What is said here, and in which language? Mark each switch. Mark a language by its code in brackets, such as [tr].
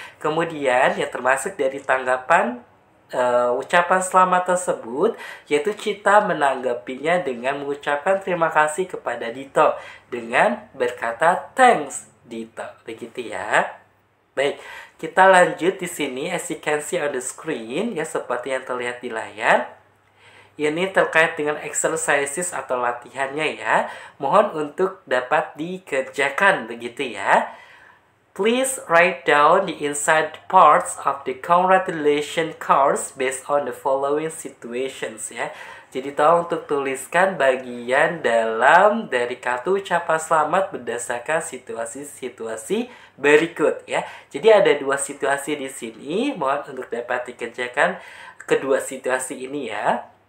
[id] Kemudian yang termasuk dari tanggapan ucapan selamat tersebut, yaitu Cita menanggapinya dengan mengucapkan terima kasih kepada Dito dengan berkata [en] thanks Dito, [id] begitu ya. Baik, kita lanjut di sini. [en] As you can see on the screen, [id] ya, seperti yang terlihat di layar, ini terkait dengan exercises atau latihannya, ya. Mohon untuk dapat dikerjakan, begitu ya. [en] Please write down the inside parts of the congratulation cards based on the following situations, ya. [id] Jadi tolong untuk tuliskan bagian dalam dari kartu ucapan selamat berdasarkan situasi-situasi berikut ya. Jadi ada dua situasi di sini, mohon untuk dapat dikerjakan kedua situasi ini ya.